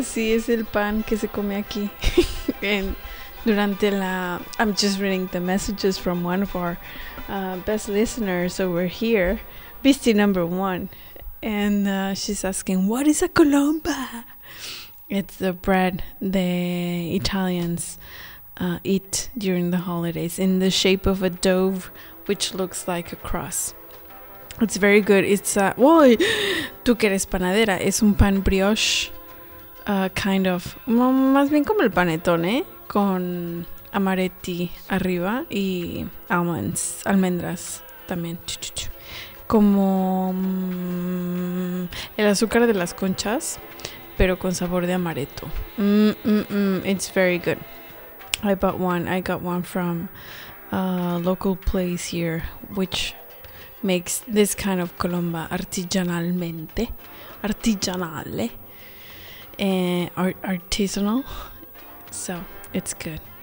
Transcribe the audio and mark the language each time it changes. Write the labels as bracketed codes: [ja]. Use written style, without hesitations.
[es] Sí, es el pan que se come aquí. [en] And [es] durante la, [en] I'm just reading the messages from one of our best listeners over here, Beastie number one, and she's asking, "What is a Colomba?" It's the bread the Italians eat during the holidays in the shape of a dove, which looks like a cross. It's very good. It's [es] tú que eres panadera, es un pan brioche, [en] kind of, [es] más bien como el panetone, con amaretti arriba y almendras también. Como el azúcar de las conchas, pero con sabor de amaretto. [en] It's very good. I got one from a local place here, which makes this kind of colomba artigianale, artisanal. So it's good.